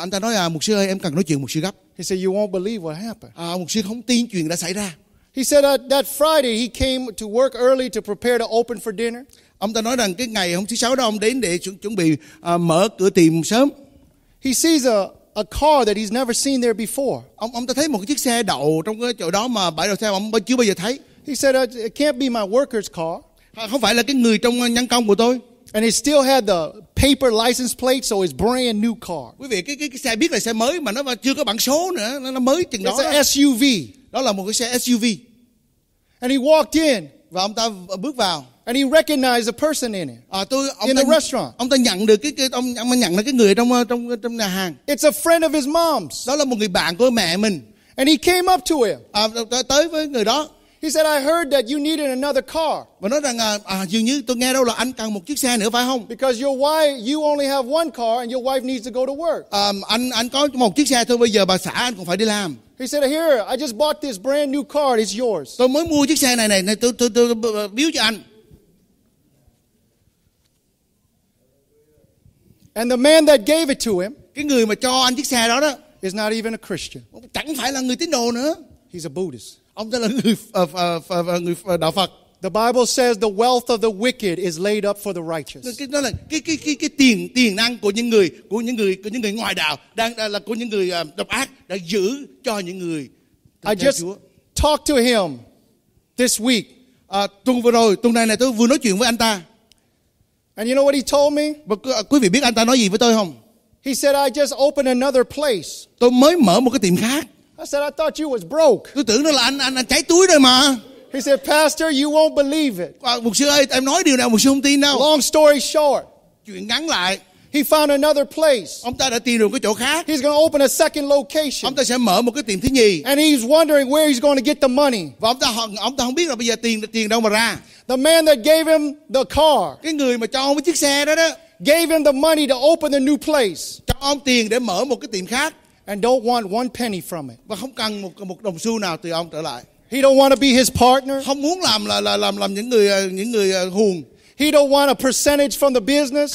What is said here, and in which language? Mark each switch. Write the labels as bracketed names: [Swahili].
[Vietnamese] Anh ta nói à, mục sư ơi, em cần nói chuyện, mục sư gấp. [English] He said, you won't believe what happened. [Vietnamese] Mục sư không tin chuyện đã xảy ra. [English] He said that Friday he came to work early to prepare to open for dinner. [Vietnamese] Ông ta nói rằng cái ngày hôm thứ sáu đó ông đến để chuẩn bị mở cửa tiệm sớm. [English] He sees a car that he's never seen there before. [Vietnamese] Ông ta thấy một chiếc xe đậu trong cái chỗ đó mà bãi đậu xe ông chưa bao giờ thấy. [English] He said it can't be my worker's car. [Vietnamese] Không phải là cái người trong nhân công của tôi. [English] And it still had the paper license plate, so it's brand new car. [Vietnamese] Quý vị, cái xe biết là xe mới mà nó chưa có bảng số nữa, nó mới chừng đó. [English] It's an SUV. [Vietnamese] Đó là một cái xe SUV. [English] And he walked in. [Vietnamese] Và ông ta bước vào. [English] And he recognized the person in it. In the restaurant. [Vietnamese] Ông ta nhận được cái người trong nhà hàng. [English] It's a friend of his mom's. [Vietnamese] Đó là một người bạn của mẹ mình. [English] And he came up to him. [Vietnamese] Tới với người đó. [English] He said, "I heard that you needed another car." [Vietnamese] Và nói rằng, dường như tôi nghe đâu là anh cần một chiếc xe nữa phải không? [English] Because your wife, you only have one car, and your wife needs to go to work. [Vietnamese] Anh có một chiếc xe thôi. Bây giờ bà xã anh còn phải đi làm. [English] He said, "Here, I just bought this brand new car. It's yours." [Vietnamese] Tôi mới mua chiếc xe này, tôi biếu cho anh. [English] And the man that gave it to him, [Vietnamese] cái người mà cho anh chiếc xe đó, [English] is not even a Christian. [Vietnamese] Chẳng phải là người tín đồ nữa. [English] He's a Buddhist. [Vietnamese] Ông ta là người đạo Phật. [English] The Bible says the wealth of the wicked is laid up for the righteous. [Vietnamese] Nó là cái tiền năng của những người ngoại đạo đang là của những người độc ác đã giữ cho những người. [English] I just talked to him this week. [Vietnamese] Tuần này tôi vừa nói chuyện với anh ta. [English] And you know what he told me? [Vietnamese] Quý vị biết anh ta nói gì với tôi không? [English] He said, I just opened another place. [Vietnamese] Tôi mới mở một cái tiệm khác. [English] I said, I thought you was broke. [Vietnamese] Tôi tưởng nó là anh cháy túi rồi mà. [English] He said, Pastor, you won't believe it. [Vietnamese] Mục sư ơi, em nói điều nào mục sư không tin đâu. [English] Long story short. [Vietnamese] Chuyện ngắn lại. [English] He found another place. [Vietnamese] Ông ta đã tìm được cái chỗ khác. [English] He's going to open a second location. [Vietnamese] Ông ta sẽ mở một cái tiệm thứ nhì. [English] And he's wondering where he's going to get the money. [Vietnamese] Và ông ta không biết là bây giờ tiền đâu mà ra. [English] The man that gave him the car. [Vietnamese] Cái người mà cho ông cái chiếc xe đó. [English] Gave him the money to open the new place. [Vietnamese] Cho ông tiền để mở một cái tiệm khác. [English] and don't want one penny from it. [Vietnamese] Và không cần một đồng xu nào từ ông trở lại. [English] He don't want to be his partner. [Vietnamese] Không muốn làm những người huồng. [English] He don't want a percentage from the business.